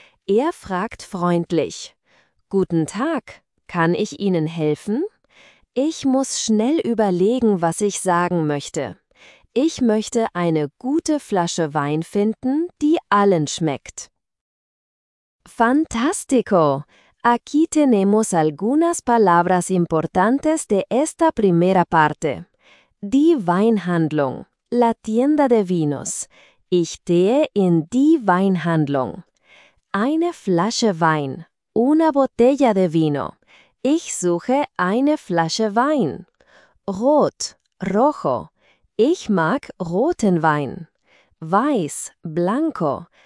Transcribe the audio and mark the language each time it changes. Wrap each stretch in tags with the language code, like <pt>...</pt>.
<de>Er fragt freundlich: Guten Tag, kann ich Ihnen helfen? Ich muss schnell überlegen, was ich sagen möchte. Ich möchte eine gute Flasche Wein finden, die allen schmeckt.</de> <es>Fantástico! Aquí tenemos algunas palabras importantes de esta primera parte.</es> <de>Die Weinhandlung,</de> <es>la tienda de vinos.</es> <de>Ich gehe in die Weinhandlung. Eine Flasche Wein,</de> <es>una botella de vino.</es> <de>Ich suche eine Flasche Wein. Rot, rojo. Ich mag roten Wein. Weiß, blanco.</de>